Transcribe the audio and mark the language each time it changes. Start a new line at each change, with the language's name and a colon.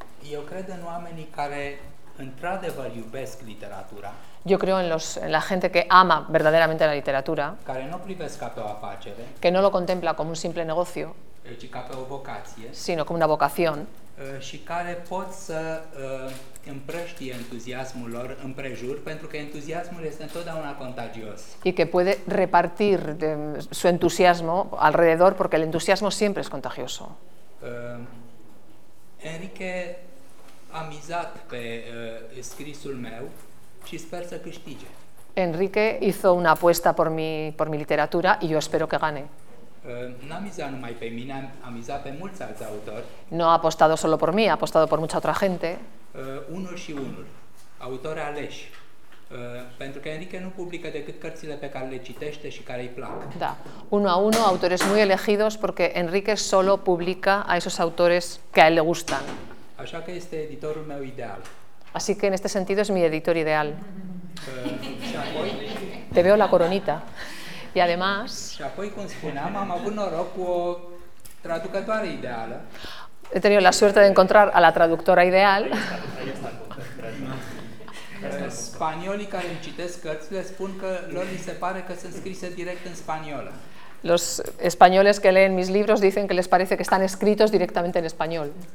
Romanian: Eu cred în oamenii care într-adevăr iubesc literatura.
Spanish: Yo creo en la gente que ama verdaderamente la literatura.
Romanian: Care nu privesc ca pe o afacere.
Spanish: Que no lo contempla como un simple negocio.
Romanian: Ci ca pe o vocație.
Spanish: Sino como una vocación.
Romanian: Și care pot să împrăștie entuziasmul lor împrejur, pentru că entuziasmul este întotdeauna contagios.
Spanish: Y que puede repartir su entusiasmo alrededor, porque el entusiasmo siempre es contagioso.
Romanian: Enrique a mizat pe scrisul meu și sper să câștige.
Spanish: Enrique hizo una apuesta por mi literatura y yo espero que gane.
Romanian: N-a mizat numai pe mine, a mizat pe mulți alți autori.
Spanish: No ha apostado solo por mí, ha apostado por mucha otra gente.
Romanian: Unul și unul, autori aleși. Pentru că Enrique nu publică decât cărțile pe care le citește și care îi plac.
Spanish: Da, uno a uno, autores muy elegidos, porque Enrique solo publica a esos autores que a él le gustan.
Romanian: Așa că este editorul meu ideal.
Spanish: Así que en este sentido es mi editor ideal.
Romanian: Și apoi...
Spanish: Te veo la coronita. Y además...
Romanian: Și apoi, cum spuneam, am avut noroc cu o traducătoare ideală.
Spanish: He tenido la suerte de encontrar a la traductora ideal.
Romanian: Spaniolii care îmi citesc cărțile spun că lor li se pare că sunt scrise direct în spaniolă.
Spanish: Los españoles que leen mis libros dicen que les parece que están escritos directamente en español.